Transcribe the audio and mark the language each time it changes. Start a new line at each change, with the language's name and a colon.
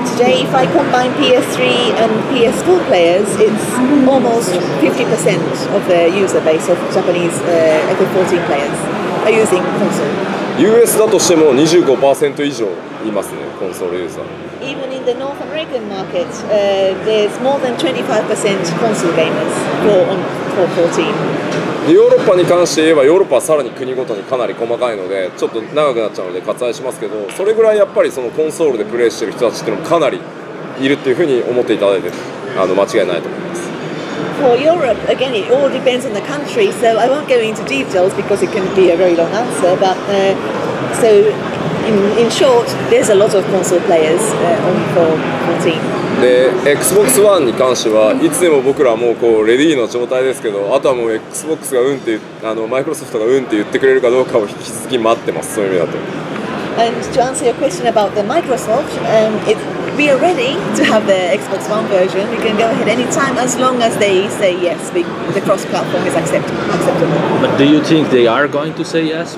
English: today, if I combine PS3 and PS4 players, it's almost 50% of the user base of Japanese FF14 players are using console.
Japanese: US だとしても25%以上いますね、コンソールユーザー。
English: Even in the North American market, there's more than 25% console gamers for 14.
Japanese: でヨーロッパに関して言えば、ヨーロッパはさらに国ごとにかなり細かいので、ちょっと長くなっちゃうので割愛しますけど、それぐらいやっぱりそのコンソールでプレイしてる人たちっていうのもかなりいるっていうふうに思っていただいて、間違いないと思います。
English: For Europe, again, it all depends on the country, so I won't go into details because it can be a very long answer, but so in short, there's a lot of console players on 14.
Japanese: で、Xbox One に関してはいつでも僕らはもうこうレディーの状態ですけど、あとはもう Xbox がうんって、マイクロソフトがうんって言ってくれるかどうかを引き続き待ってます、そういう意味だと。
English: And to answer your question about the Microsoft, we are ready to have the Xbox One version. We can go ahead anytime as long as they say yes, the cross platform is acceptable. But do you think they are going to say yes?